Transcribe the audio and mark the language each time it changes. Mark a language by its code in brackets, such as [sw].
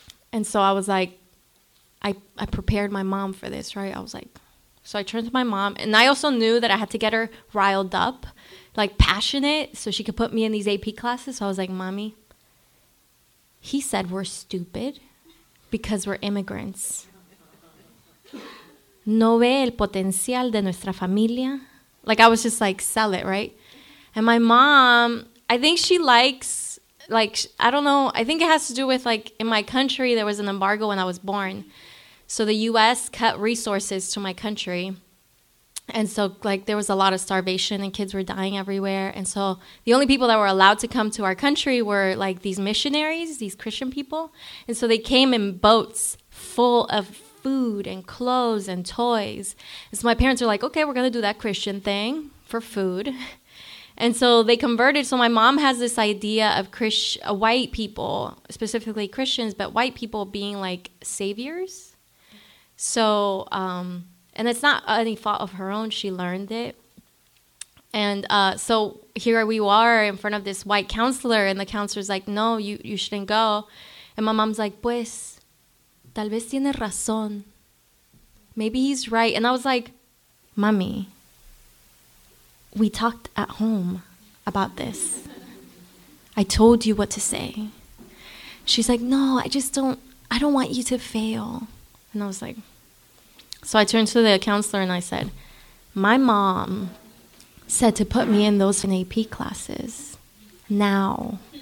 [en] And so I was like, I prepared my mom for this, right? I was like, so I turned to my mom and I also knew that I had to get her riled up, like passionate, so she could put me in these AP classes. So I was like, mommy, he said we're stupid because we're immigrants. [es] No ve el potencial de nuestra familia. [en] Like, I was just like, sell it, right? And my mom, I think she likes, like, I don't know. I think it has to do with, like, in my country, there was an embargo when I was born. So the U.S. cut resources to my country. And so, like, there was a lot of starvation and kids were dying everywhere. And so the only people that were allowed to come to our country were, like, these missionaries, these Christian people. And so they came in boats full of food and clothes and toys. And so my parents were like, okay, we're going to do that Christian thing for food. And so they converted. So my mom has this idea of white people, specifically Christians, but white people being, like, saviors. So, and it's not any fault of her own. She learned it. And so here we are in front of this white counselor. And the counselor's like, no, you shouldn't go. And my mom's like, [es] pues, tal vez tiene razón. [en] Maybe he's right. And I was like, mommy, we talked at home about this. I told you what to say. She's like, no, I don't want you to fail. And I was like, so I turned to the counselor and I said, my mom said to put me in those in AP classes now.